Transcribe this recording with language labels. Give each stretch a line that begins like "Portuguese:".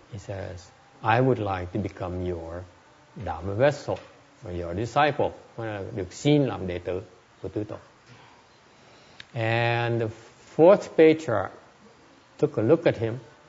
English: He says, "I would like to become your Dharma vessel, or your disciple."
Vietnamese: Được xin làm đệ tử của tứ tổ.
English: And the fourth Bhaja took a look at him.